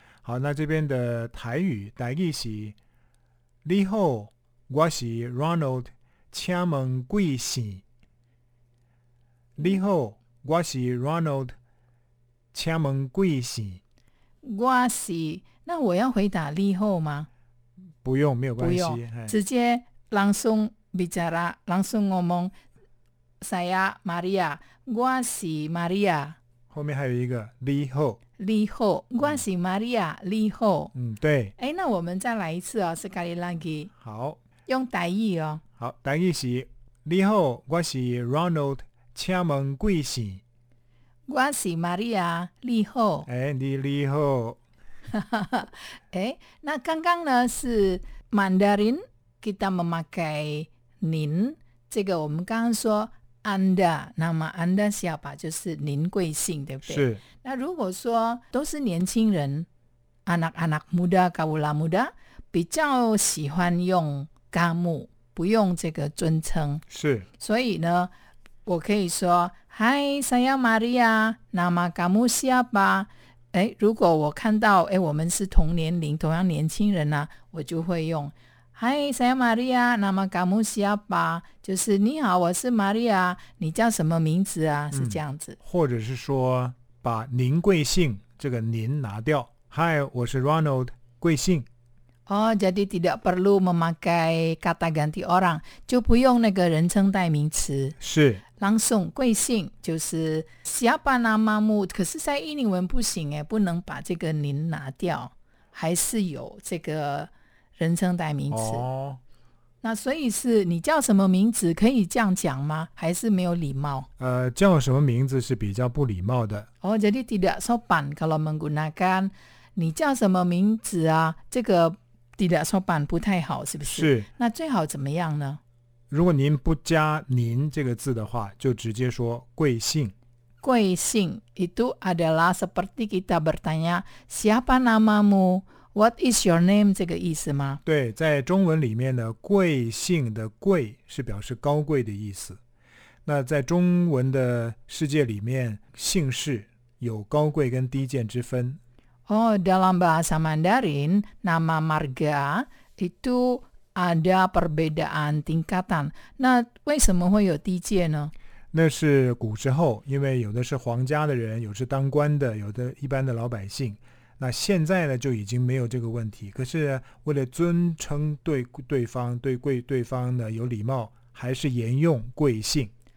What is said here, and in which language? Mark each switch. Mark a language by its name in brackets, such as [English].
[Chinese] 好，那这边的台语台语是你好，我是 Ronald, 请问贵姓。你好，我是 Ronald, 请问贵姓。我是那我要回答你好吗？不用，没有关系，不用，直接 [Indonesian] langsung bicara， langsung ngomong saya Maria， [Chinese] 我是 Maria，后面还有一个你好，你好，我是 Maria， 你好，嗯，对，哎，那我们再来一次哦， [Indonesian] sekali lagi， [Chinese] 好，用台语哦，好，台语是你好，我是 Ronald， 请问贵姓？我是 Maria， 你好，哎，你好。哎，那刚刚呢是 Mandarin， [Indonesian] kita memakai [Chinese] 您，这个我们刚刚说 anda， 那么 [Indonesian] anda siapa [Chinese] 就是您贵姓，对不对？是。那如果说都是年轻人 ， [Indonesian] anak-anak muda， kaula muda， [Chinese] 比较喜欢用 [Indonesian] kamu， [Chinese] 不用这个尊称。是。所以呢，我可以说 [Indonesian] Hi， saya Maria， nama kamu siapa？ [Chinese] 诶，如果我看到诶，我们是同年龄同样年轻人啊，我就会用 [Indonesian] Hi， saya Maria， nama kamu siapa， [Chinese] 就是你好，我是 Maria， 你叫什么名字啊，是这样子，或者是说把您贵姓这个您拿掉， Hi， 我是 Ronald， 贵姓。 [Indonesian] 哦，jadi tidak perlu memakai kata ganti orang， [Chinese] 就不用那个人称代名词，是 langsung贵姓，就是 [Indonesian] siapa namamu， [Chinese] 可是在印尼文不行，不能把这个您拿掉，还是有这个人称代名词。哦，那所以是你叫什么名字，可以这样讲吗？还是没有礼貌？叫什么名字是比较不礼貌的。 [Indonesian] 哦，jadi tidak sopan kalau menggunakan [Chinese] 你叫什么名字啊，这个 [Indonesian] tidak sopan [Chinese] 不太好，是不是？是。那最好怎么样呢？如果您不加您这个字的话，就直接说贵姓。 [Indonesian] 贵姓 itu adalah seperti kita bertanya siapa namamu， [English] what is your name， [Chinese] 这个意思吗？对，在中文里面的贵姓的贵是表示高贵的意思，那在中文的世界里面姓氏有高贵跟低贱之分。 [Indonesian] Oh, dalam bahasa Mandarin, nama marga itu ada perbedaan tingkatan. [Chinese] 那为什么会有低贱呢？那是古时候，因为有的是皇家的人，有的是当官的，有的一般的老百姓。那现在呢，就已经没有这个问题。可是为了尊称对对方，对贵对方呢有礼貌，还是沿用贵姓。